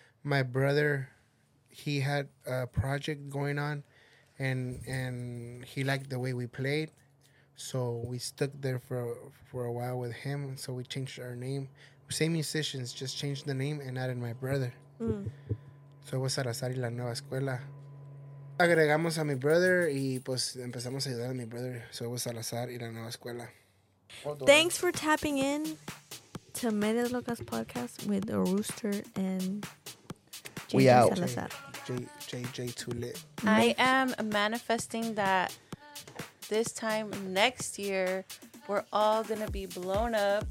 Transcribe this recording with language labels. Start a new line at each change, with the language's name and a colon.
English: my brother, he had a project going on, and he liked the way we played. So we stuck there for a while with him. So we changed our name. Same musicians, just changed the name and added my brother. Mm. So it was Salazar y la Nueva Escuela.
Spanish: Agregamos a mi brother y pues empezamos a ayudar a mi brother.
English: So it was Salazar y la Nueva Escuela. Thanks for tapping in to Medias Locas Podcast with the Rooster and JJ Salazar. JJ Tulit. I am manifesting that this time next year, we're all gonna be blown up.